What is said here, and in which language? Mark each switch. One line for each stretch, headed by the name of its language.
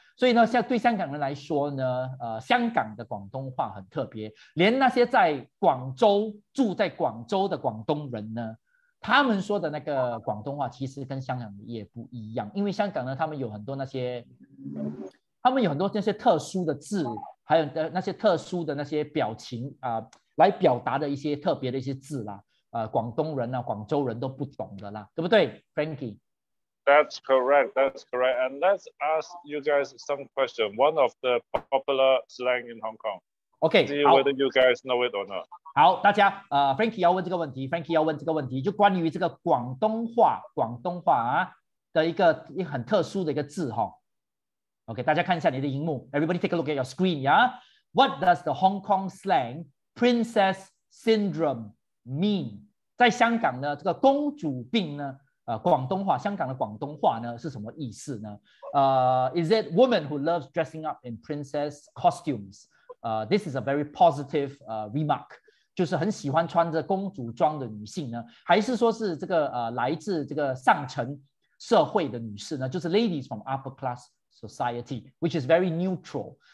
Chinese: 所以呢，像对香港人来说呢，香港的广东话很特别，连那些在广州住在广州的广东人呢，他们说的那个广东话其实跟香港也不一样，因为香港呢，他们有很多那些特殊的字，还有那些特殊的那些表情啊、来表达的一些特别的一些字啦，广东人啊、广州人都不懂的啦，对不对 ，Frankie？
English: That's correct. And let's ask you guys some question. One of the popular slang in Hong Kong. Okay. See whether you guys know it or not.
Chinese: 好，大家，Frankie 要问这个问题。Frankie 要问这个问题，就关于这个广东话啊的一很特殊的一个字哈。 Okay, 大家看一下你的荧幕。
English: Everybody take a look at your screen, yeah. What does the Hong Kong slang "princess syndrome" mean?
Chinese: 在香港呢，这个公主病呢？广东话，香港的广东话呢是什么意思呢？
English: Is it woman who loves dressing up in princess costumes? This is a very positive remark.
Chinese: 就是很喜欢穿着公主装的女性呢，还是说是这个来自这个上层社会的女士呢？就是
English: ladies from upper class society, which is very neutral?